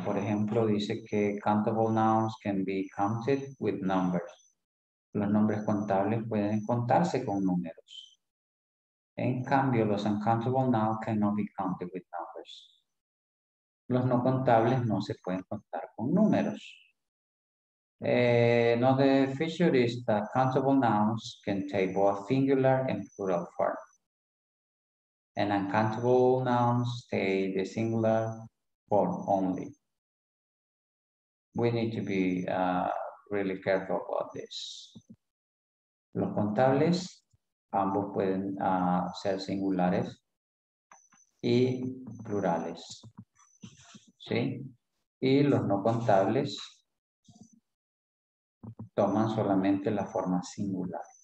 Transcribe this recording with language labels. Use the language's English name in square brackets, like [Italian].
[Spanish] Por ejemplo, dice que [English] countable nouns can be counted with numbers. [Spanish] Los nombres contables pueden contarse con números. En cambio, los [English] uncountable nouns cannot be counted with numbers. [Spanish] Los no contables no se pueden contar con números. [English] Another feature is that countable nouns can take both singular and plural form. And uncountable nouns stay the singular form only. We need to be really careful about this. [Spanish] Los contables, ambos pueden ser singulares y plurales. ¿Sí? Y los no contables toman solamente la forma singular.